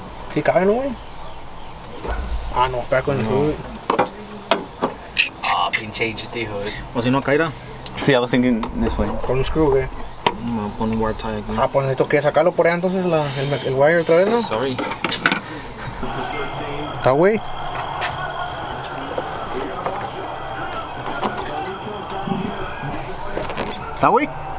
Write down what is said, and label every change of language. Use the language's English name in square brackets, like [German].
[Spanish] Si, caben, güey. Ah, no, pega con el hood. Ah, pinche HD hood. O si no, caerá. [English] Sí, I was thinking this way. [Spanish] Con un screw, güey. [English] I'm gonna put a wire tie again. [Spanish] Ah, pues necesito que sacarlo por ahí entonces el wire otra vez, ¿no? [English] Sorry. [Spanish] Está, güey. ¿Está, güey?